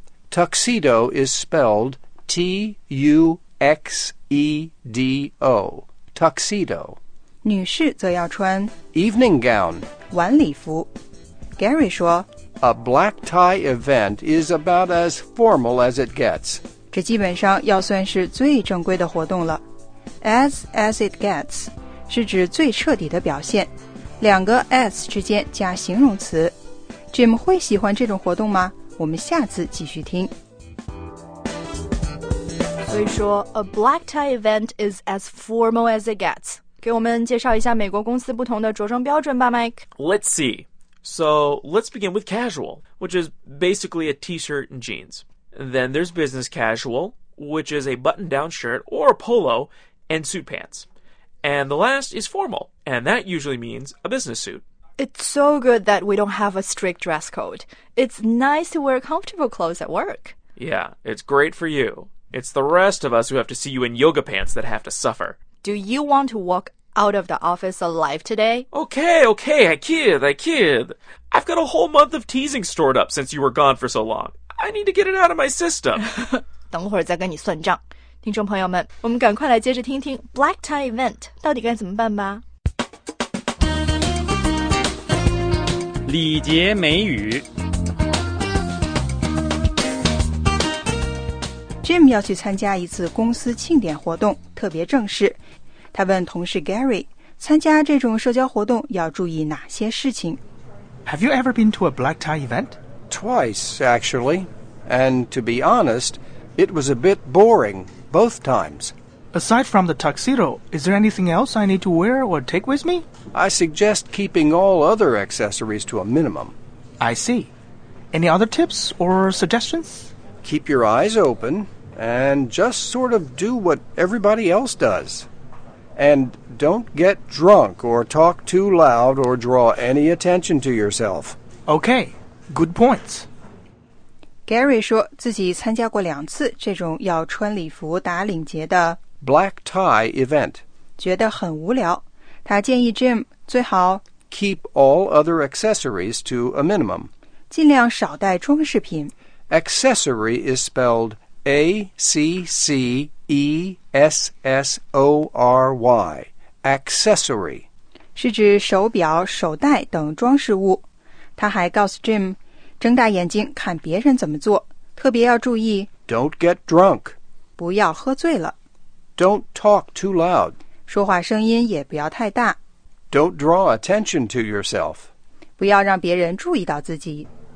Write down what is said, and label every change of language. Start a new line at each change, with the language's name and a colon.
English: Tuxedo is spelled T-U-X-E-D-O. Tuxedo.
Chinese: 女士则要穿
English: evening gown.
Chinese: 晚礼服。Gary 说
English: A black tie event is about as formal as it gets.
Chinese: 这基本上要算是最正规的活动了。
English: As it gets
Chinese: 是指最彻底的表现，两个 as 之间加形容词。 Jim 会喜欢这种活动吗？我们下次继续听。所以说
English: ，A black tie event is as formal as it gets.
Chinese: 给我们介绍一下美国公司不同的着装标准吧 ，Mike.
English: Let's see. So, let's begin with casual, which is basically a t-shirt and jeans. Then there's business casual, which is a button-down shirt or a polo and suit pants. And the last is formal, and that usually means a business suit. It's so good that we don't have a strict dress code. It's nice to wear comfortable clothes at work. Yeah, it's great for you. It's the rest of us who have to see you in yoga pants that have to suffer. Do you want to walk out of the office alive today? Okay, I kid. I've got a whole month of teasing stored up since you were gone for so long. I need to get it out of my system.
Chinese: 等会儿再跟你算账。听众朋友们，我们赶快来接着听听 Black Tie Event 到底该怎么办吧。礼节美语。 Jim 要去参加一次公司庆典活动，特别正式。他问同事 Gary, 参加这种社交活动要注意哪些事情?
English: Have you ever been to a black tie event? Twice, actually. And to be honest, it was a bit boring, both times. Aside from the tuxedo, is there anything else I need to wear or take with me? I suggest keeping all other accessories to a minimum. I see. Any other tips or suggestions? Keep your eyes open and just sort of do what everybody else does. And don't get drunk or talk too loud or draw any attention to yourself. Okay, good points.
Chinese: Gary 说自己参加过两次这种要穿礼服打领结的
English: black tie event.
Chinese: 觉得很无聊。他建议 Jim 最好
English: keep all other accessories to a minimum.
Chinese: 尽量少带装饰品。
English: Accessory is spelled A-C-C-E-S-S-O-R-Y, accessory.
Chinese: 是指手表、手袋等装饰物。他还告诉 Jim, 睁大眼睛看别人怎么做。特别要注意
English: Don't get drunk.
Chinese: 不要喝醉了。
English: Don't talk too loud.
Chinese: 说话声音也不要太大。
English: Don't draw attention to yourself.
Chinese: 不要让别人注意到自己。